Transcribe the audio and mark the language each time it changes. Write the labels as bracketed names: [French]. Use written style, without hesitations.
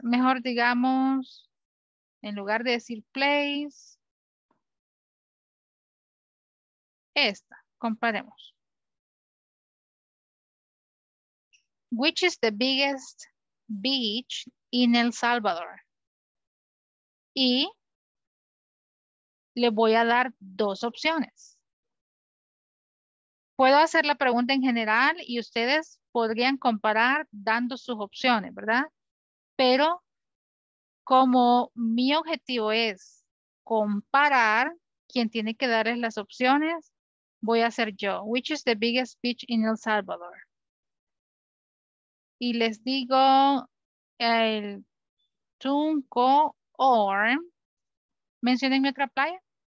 [Spanish] Mejor digamos, en lugar de decir place, esta, comparemos. [English] Which is the biggest beach in El Salvador? [Spanish] Y le voy a dar dos opciones. Puedo hacer la pregunta en general y ustedes podrían comparar dando sus opciones, ¿verdad? Pero como mi objetivo es comparar, quien tiene que darles las opciones, voy a hacer yo. [English] Which is the biggest beach in El Salvador? [Spanish] Y les digo el Tunco or, mencionen mi otra playa.